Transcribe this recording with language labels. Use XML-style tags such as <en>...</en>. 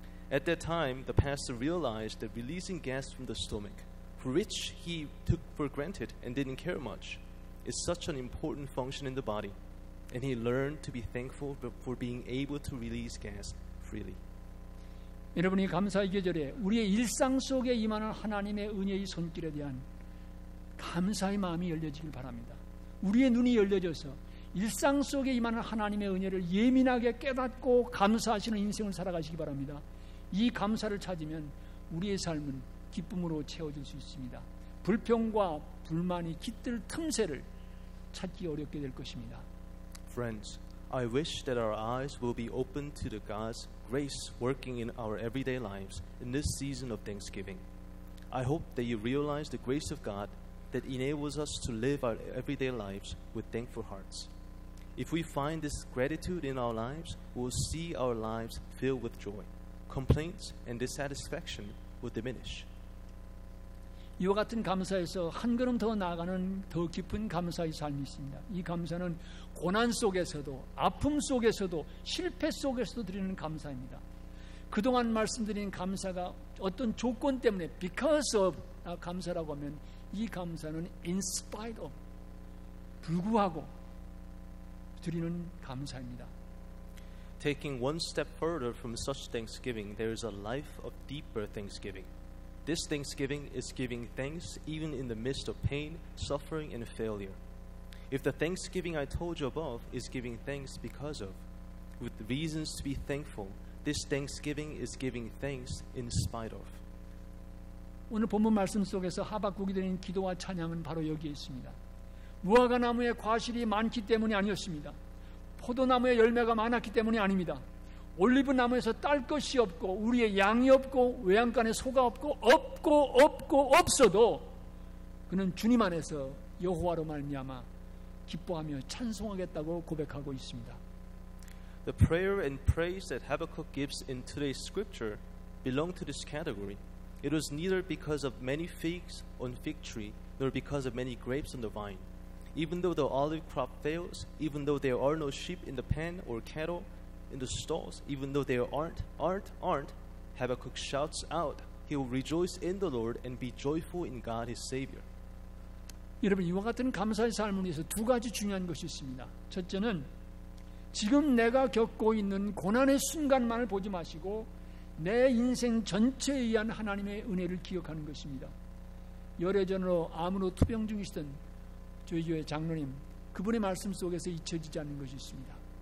<en>At that time, the pastor realized that releasing gas from the stomach, for which he took for granted and didn't care much, is such an important function in the body, and he learned to be thankful for being able to release gas freely.</en> <ko>여러분이 감사의 계절에 우리의 일상 속에 임하는 하나님의 은혜의 손길에 대한 감사의 마음이 열려지길 바랍니다. 우리의 눈이 열려져서 일상 속에 임하는 하나님의 은혜를 예민하게 깨닫고 감사하시는 인생을 살아가시기 바랍니다. 이 감사를 찾으면 우리의 삶은 기쁨으로 채워질 수 있습니다. 불평과 불만이 깃들 틈새를 찾기 어렵게 될 것입니다.</ko> <en>Friends, I wish that our eyes will be open to the God's grace working in our everyday lives in this season of Thanksgiving. I hope that you realize the grace of God that enables us to live our everyday lives with thankful hearts. If we find this gratitude in our lives, we'll see our lives filled with joy. Complaints and dissatisfaction will diminish.</en> <ko>이와 같은 감사에서 한 걸음 더 나아가는 더 깊은 감사의 삶이 있습니다. 이 감사는 고난 속에서도, 아픔 속에서도, 실패 속에서도 드리는 감사입니다. 그동안 말씀드린 감사가 어떤 조건 때문에</ko> <en>because of</en> <ko>감사라고 하면 이 감사는</ko> <en>in spite of,</en> <ko>불구하고 드리는 감사입니다.</ko> <en>Taking one step further from such thanksgiving, there is a life of deeper thanksgiving. This thanksgiving is giving thanks even in the midst of pain, suffering, and failure. If the thanksgiving I told you above is giving thanks because of, with reasons to be thankful, this thanksgiving is giving thanks in spite of.</en> <ko>오늘 본문 말씀 속에서 하박국이 드린 기도와 찬양은 바로 여기에 있습니다. 무화과 나무에 과실이 많기 때문이 아니었습니다. 포도나무에 열매가 많았기 때문이 아닙니다. 올리브 나무에서 딸 것이 없고 우리의 양이 없고 외양간에 소가 없고 없고 없고 없어도 그는 주님 안에서 여호와로 말미암아 기뻐하며 찬송하겠다고 고백하고 있습니다.</ko> <en>The prayer and praise that Habakkuk gives in today's scripture belong to this category. It was neither because of many figs on fig tree nor because of many grapes on the vine. Even though the olive crop fails, even though there are no sheep in the pen or cattle in the stalls, even though there aren't, Habakkuk shouts out, he will rejoice in the Lord and be joyful in God his Savior.</en> <ko>여러분, 이와 같은 감사의 삶을 위해서 두 가지 중요한 것이 있습니다. 첫째는 지금 내가 겪고 있는 고난의 순간만을 보지 마시고 내 인생 전체에 의한 하나님의 은혜를 기억하는 것입니다. 열흘 전으로 암으로 투병 중이시던 저희 교회 장로님, 그분의 말씀 속에서 잊혀지지 않는 것이 있습니다.</ko>